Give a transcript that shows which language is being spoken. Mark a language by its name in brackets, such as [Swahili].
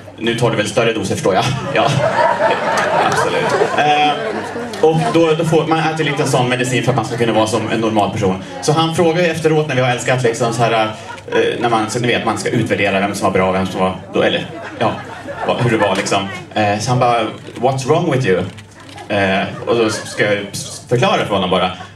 [Swedish] Nu tar du väl större doser, förstår jag. Ja, absolut. Och då får man äta lite sån medicin för att man ska kunna vara som en normal person. Så han frågar efteråt när vi har älskat liksom så här, när man, så ni vet, man ska utvärdera vem som var bra, vem som var då, eller ja, hur det var liksom. Så han bara: [English] what's wrong with you? [Swedish] Och då ska jag förklara för honom bara.